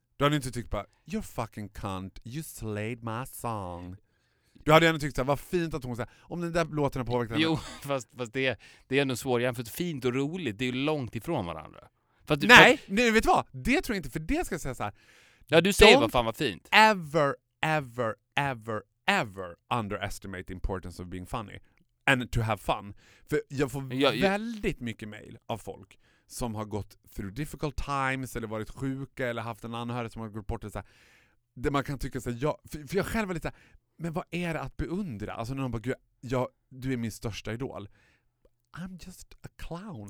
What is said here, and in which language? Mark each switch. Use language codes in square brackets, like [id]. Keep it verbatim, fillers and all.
[en] Du hade inte tyckt bara, you're fucking cunt, you slayed my song. [sv] Du hade ändå tyckt så här, vad fint att hon säger, om den där låten har påverkat henne. Jo, fast, fast det, det är ändå svårt jämfört. Fint och roligt, det är ju långt ifrån varandra. Du, nej, för... nej, vet du vad? Det tror jag inte, för det ska jag säga så här. Ja, du säger vad fan vad fint. [en] Ever, ever, ever, ever underestimate the importance of being funny. And to have fun. [sv] För jag får ja, väldigt jag... mycket mail av folk som har gått through difficult times eller varit sjuka eller haft en anhörig som har gått bort. Så här, där man kan tycka så här, jag, för, för jag själv är lite så här, men vad är det att beundra? Alltså när de bara, Gud, jag, du är min största idol. I'm just a clown.